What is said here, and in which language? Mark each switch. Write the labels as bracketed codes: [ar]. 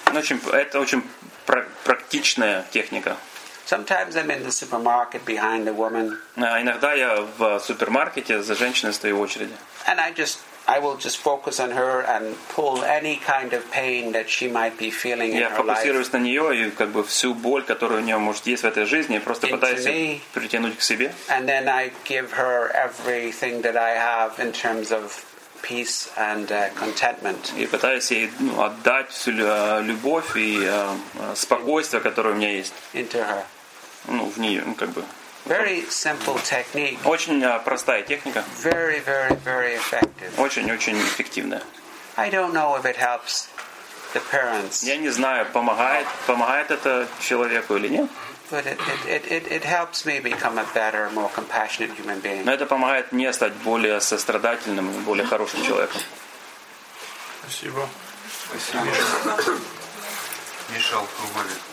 [ru] Это очень практичная техника. [en] Sometimes I'm in the supermarket behind a woman. [ru] Иногда я в супермаркете за женщиной стою в очереди. [en] And I will just focus on her and pull any kind of pain that she might be feeling in her life. [ru] Я фокусируюсь на нее и как бы всю боль, которую у нее может есть в этой жизни, просто пытаюсь притянуть к себе. [en] And then I give her everything that I have in terms of peace and contentment. [ru] И пытаюсь ей отдать всю любовь и спокойствие, которое у меня есть. [en] Into her. [ru] Ну, в нее, как бы. [en] Very simple technique. [ru] Очень простая техника. [en] Very, very, very effective. [ru] Очень-очень эффективная. [en] I don't know if it helps the parents. [ru] Я не знаю, помогает это человеку или нет. [en] But it helps me become a better, more compassionate human being. [ru] Но это помогает мне стать более сострадательным, более хорошим человеком. Спасибо. Спасибо. Миша Алкоголик.